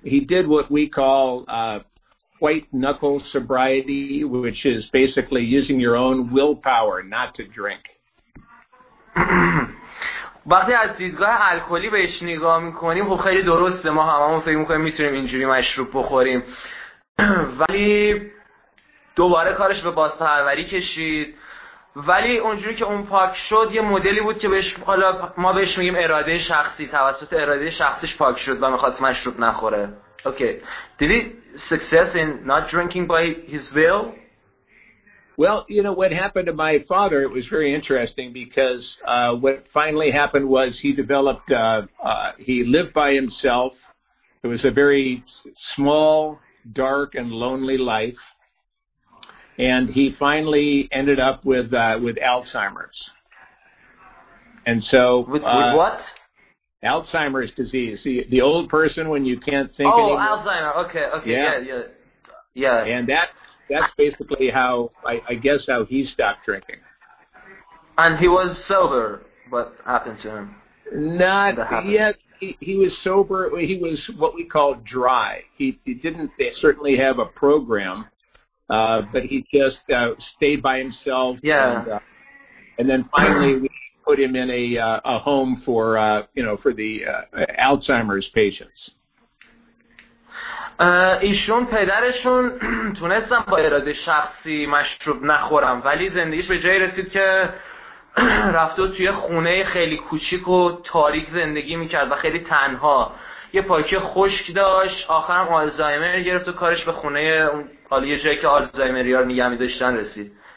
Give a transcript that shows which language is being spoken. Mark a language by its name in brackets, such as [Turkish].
[English] He did what we call white knuckle sobriety, which is basically using your own willpower not to drink. [Persian] وقتی از دیدگاه الکلی بهش نگاه میکنیم خب خیلی درسته، ما هممون فکر میکنیم میتونیم اینجوری مشروب بخوریم، ولی دوباره کارش به بازپروری کشید. ولی اونجوری که اون پاک شد یه مدلی بود که بهش، حالا ما بهش میگیم اراده شخصی، توسط اراده شخصیش پاک شد و میخواست مشروب نخوره. [English] Okay. Did he success in not drinking by his will? Well, you know, what happened to my father, it was very interesting because what finally happened was he developed, he lived by himself. It was a very small, dark, and lonely life. And he finally ended up with Alzheimer's. And so... With what? Alzheimer's disease. The old person when you can't think oh, anymore. Oh, Alzheimer's. Okay. Yeah. And that's basically how, I guess, how he stopped drinking. And he was sober. What happened to him? Not yet. He was sober. He was what we call dry. He didn't certainly have a program, but he just stayed by himself. Yeah. And then finally we put him in a home for, you know, for the Alzheimer's patients. [Persian] ایشون پدرشون تونستن با اراده شخصی مشروب نخورن ولی زندگیش به جایی رسید که رفته توی خونه خیلی کوچیک و تاریک زندگی میکرد و خیلی تنها، یه پاکه خشک داشت، آخرم آلزایمر گرفت و کارش به خونه حالا یه جایی که آلزایمری ها نگه میداشتن رسید.